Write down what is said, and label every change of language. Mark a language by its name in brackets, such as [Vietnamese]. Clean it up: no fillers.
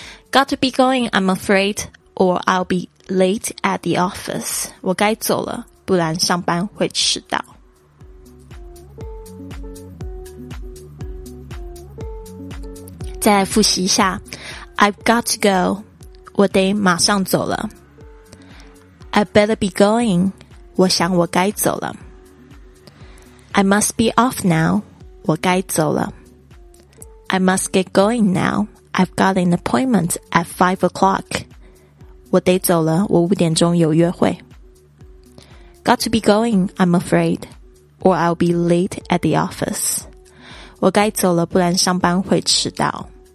[English] Got to be going, I'm afraid, or I'll be late at the office. [Chinese] 我该走了，不然上班会迟到。再来复习一下， [English] I've got to go, [Chinese] 我得马上走了。 [English] I better be going, [Chinese] 我想我该走了。 [English] I must be off now, [Chinese] 我该走了。 [English] I must get going now, I've got an appointment at 5 o'clock. [Chinese] 我得走了，我五点钟有约会。 [English] Got to be going, I'm afraid, or I'll be late at the office. [Chinese] 我该走了，不然上班会迟到。